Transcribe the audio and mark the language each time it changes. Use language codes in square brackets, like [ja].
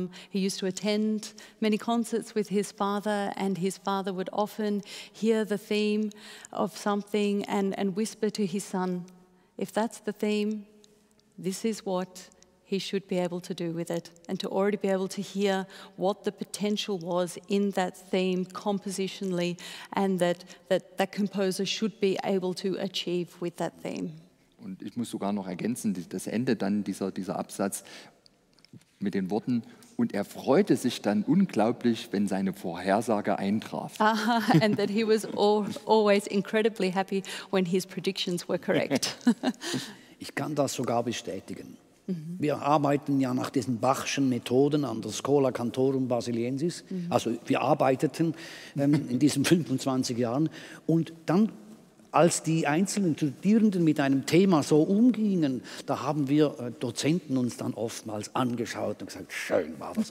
[en] He used to attend many concerts with his father, and his father would often hear the theme of something and whisper to his son, "If that's the theme, this is what he should be able to do with it," and to already be able to hear what the potential was in that theme compositionally, and that composer should be able to achieve with that theme. [de] Und ich muss sogar noch ergänzen, das Ende dann dieser Absatz mit den Worten: und er freute sich dann unglaublich, wenn seine Vorhersage eintraf. [en] And that he was always incredibly happy when his predictions were correct. [de] Ich kann das sogar bestätigen. Mm-hmm. Wir arbeiten ja nach diesen Bachschen Methoden an der Schola Cantorum Basiliensis. Mm-hmm. Also wir arbeiteten in diesen 25 Jahren. Und dann, als die einzelnen Studierenden mit einem Thema so umgingen, da haben wir Dozenten uns dann oftmals angeschaut und gesagt, schön war das.